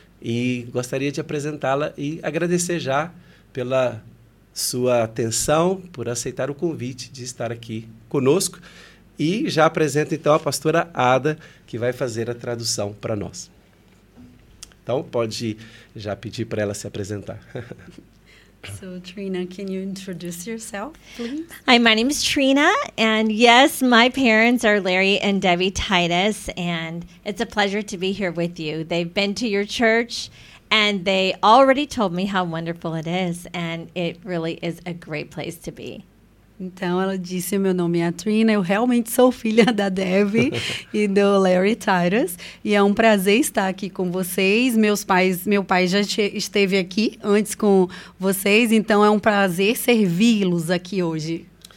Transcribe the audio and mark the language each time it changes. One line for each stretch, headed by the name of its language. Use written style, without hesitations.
Portuguese: E gostaria de apresentá-la e agradecer já pela sua atenção, por aceitar o convite de estar aqui conosco. E já apresento então a pastora Ada, que vai fazer a tradução para nós. Então, pode já pedir para ela se apresentar.
English: So, Trina, can you introduce yourself, please? Hi, my name is Trina, and yes, my parents are Larry and Debbie Titus, and it's a pleasure to be here with you. They've been to your church, and they already told me how wonderful it is, and it really is a great place to be.
Portuguese: Então, ela disse, meu nome é Trina, eu realmente sou filha da Debbie e do Larry Titus. E é um prazer estar aqui com vocês. Meu pai já esteve aqui antes com vocês, então é um prazer servi-los aqui hoje.